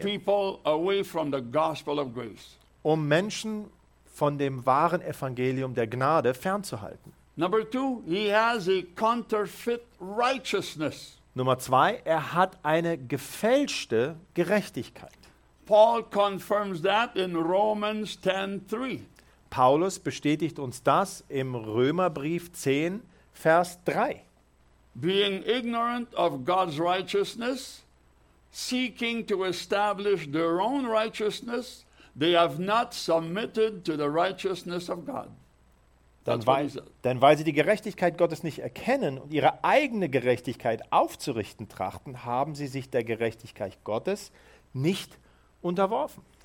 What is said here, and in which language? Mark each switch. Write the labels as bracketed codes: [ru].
[en] To keep people away from the gospel of grace. [de] Um Menschen von dem wahren Evangelium der Gnade fernzuhalten. [en] Number two, he has a counterfeit righteousness. [de] Nummer zwei, er hat eine gefälschte Gerechtigkeit. [en] Paul confirms that in Romans 10:3. [de] Paulus bestätigt uns das im Römerbrief 10, Vers 3. [en] Being ignorant of God's righteousness, seeking to establish their own righteousness, they have not submitted to the righteousness of God. [de] Denn weil sie die Gerechtigkeit Gottes nicht erkennen und ihre eigene Gerechtigkeit aufzurichten trachten, haben sie sich der Gerechtigkeit Gottes nicht unterworfen.